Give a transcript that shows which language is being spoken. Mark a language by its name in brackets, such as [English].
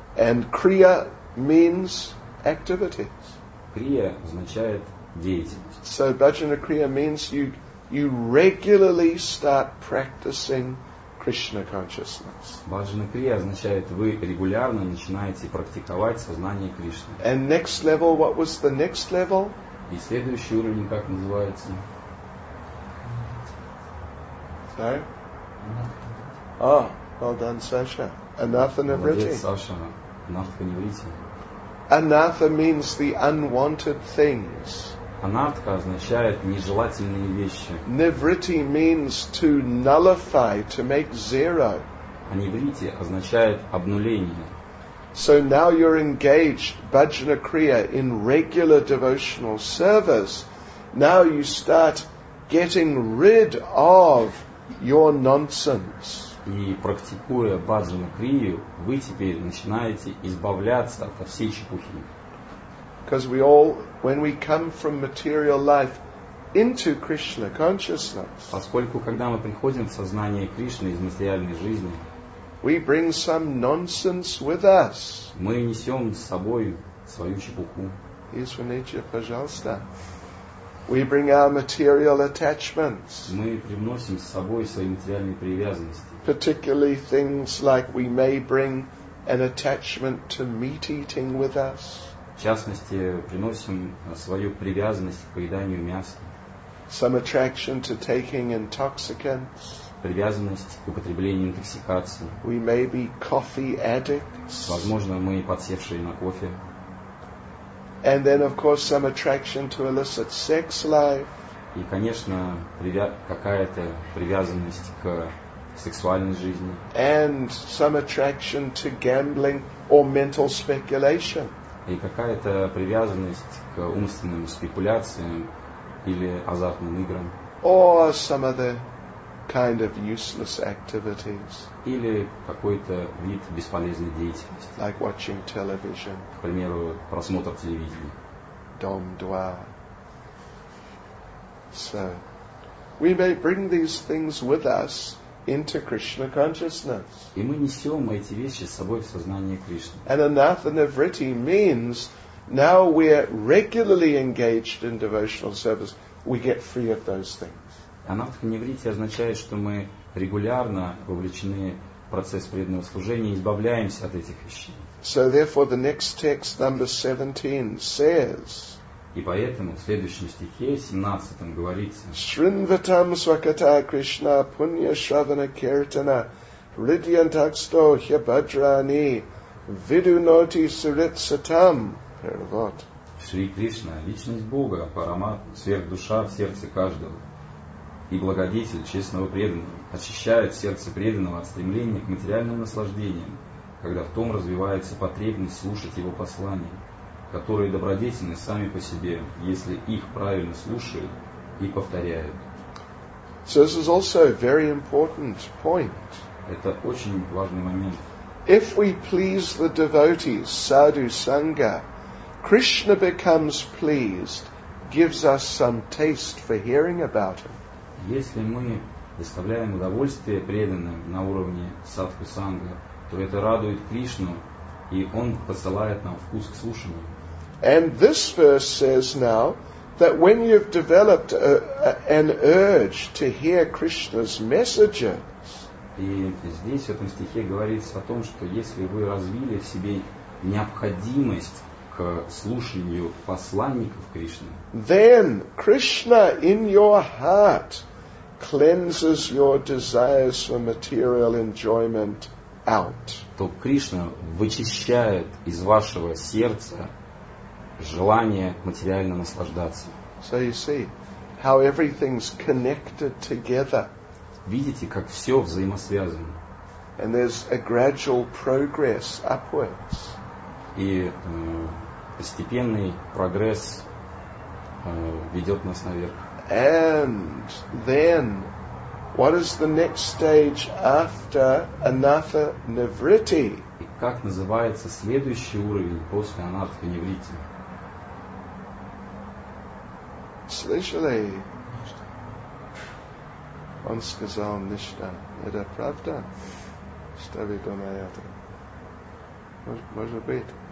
[English] And kriya means activities. [Russian] Kriya означает деятельность. [English] So bhajana kriya means you regularly start practicing Krishna consciousness. [Russian] Bhajana kriya означает вы регулярно начинаете практиковать сознание Кришны. [English] And next level, what was the next level? [Russian] И следующий уровень как называется? [English] Sorry? Oh, well done, Sasha. Anartha Nivritti. [Russian] Молодец, Саша. Anartha Nivritti. [English] Anartha means the unwanted things. [Russian] Anartha означает нежелательные вещи. [English] Nivritti means to nullify, to make zero. [Russian] А Nivritti означает обнуление. [English] So now you're engaged, bhajana kriya, in regular devotional service. Now you start getting rid of your nonsense. [Russian] И практикуя bhajana kriya, вы теперь начинаете избавляться от всей чепухи. [English] Because we all, when we come from material life into Krishna consciousness, [Russian] поскольку когда мы приходим в сознание Кришны из материальной жизни, [English] we bring some nonsense with us. [Russian] Мы несем с собой свою чепуху. [English] Yes, Vinicha, [Russian] пожалуйста. [English] We bring our material attachments. [Russian] Мы привносим с собой свои материальные привязанности. [English] Particularly things like we may bring an attachment to meat eating with us. [Russian] В частности, приносим свою привязанность к поеданию мяса. [English] Some attraction to taking intoxicants. [Russian] Привязанность к употреблению интоксикации. [English] We may be coffee addicts. [Russian] Возможно, мы подсевшие на кофе. [English] And then, of course, some attraction to illicit sex life. [Russian] И, конечно, какая-то привязанность к сексуальной жизни. [English] And some attraction to gambling or mental speculation. [Russian] И какая-то привязанность к умственным спекуляциям или азартным играм. [English] Or some other kind of useless activities. [Russian] Или какой-то вид бесполезной деятельности. [English] Like watching television. [Russian] К примеру, просмотр телевидения. Dom dwa. [English] So, we may bring these things with us into Krishna consciousness. [Russian] И мы несем эти вещи с собой в сознание Кришны. [English] And anathanavritti means now we're regularly engaged in devotional service, we get free of those things. [Russian] Анатханавритти означает, что мы регулярно вовлечены в процесс преданного служения и избавляемся от этих вещей. [English] So therefore the next text, number 17, says, [Russian] и поэтому в следующем стихе, 17-м, говорится: [Sanskrit] Шринватам свакатха Кришна пунья шравана киртана ридьянтаксто хьябаджрани видуноти суритсатам. [Russian] Перевод. Шри Кришна, личность Бога, парамат, сверхдуша в сердце каждого и благодетель честного преданного, очищает сердце преданного от стремления к материальным наслаждениям, когда в том развивается потребность слушать его послания, которые добродетельны сами по себе, если их правильно слушают и повторяют. [English] So this is also a very important point. [Russian] Это очень важный момент. [English] If we please the devotees, sadhu sangha, Krishna becomes pleased, gives us some taste for hearing about him. [Russian] Если мы доставляем удовольствие преданным на уровне садху санга, то это радует Кришну, и он посылает нам вкус к слушанию. [English] And this verse says now that when you've developed an urge to hear Krishna's messages, [Russian] и здесь в этом стихе говорится о том, что если вы развили в себе необходимость к слушанию посланников Кришны, [English] then Krishna in your heart cleanses your desires for material enjoyment out. [Russian] То Кришна вычищает из вашего сердца желание материально наслаждаться. [English] So you see how everything's connected together. [Russian] Видите, как все взаимосвязано. [English] And there's a gradual progress upwards. [Russian] И постепенный прогресс ведет нас наверх. [English] And then what is the next stage after anathanavritti? [Russian] И как называется следующий уровень после анатханавритти? Слышали? Он сказал нечто. Это правда? Что вы думаете? Может быть?